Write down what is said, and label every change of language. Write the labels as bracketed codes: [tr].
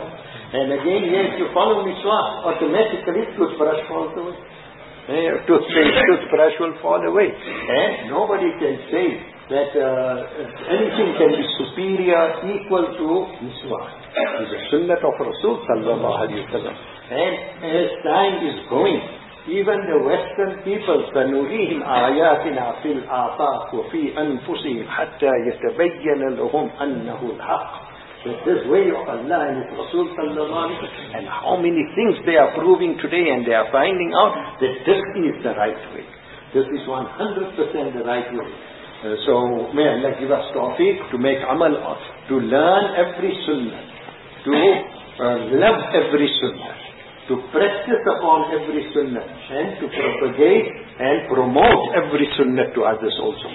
[en] And again, yes, you follow miswak, automatically toothbrush falls away. Toothbrush will fall away. And nobody can say that anything can be superior, equal to miswak. It's a sunnah of Rasul sallallahu alayhi wa sallam. And as time is going, even the Western people, [ar] فَنُرِيهِمْ آيَاتِنَا فِي الْآفَاقِ وَفِي أَنفُسِهِمْ حَتَّى يَتَبَيَّنَ لَهُمْ أَنَّهُ الْحَقِّ. [en] That this way of Allah and His Rasul sallallahu alayhi wa sallam, and how many things they are proving today and they are finding out that this is the right way. This is 100% the right way. So may Allah give us tawfiq to make amal of, to learn every sunnah, to love every sunnah, to practice upon every sunnah, and to propagate and promote every sunnah to others also.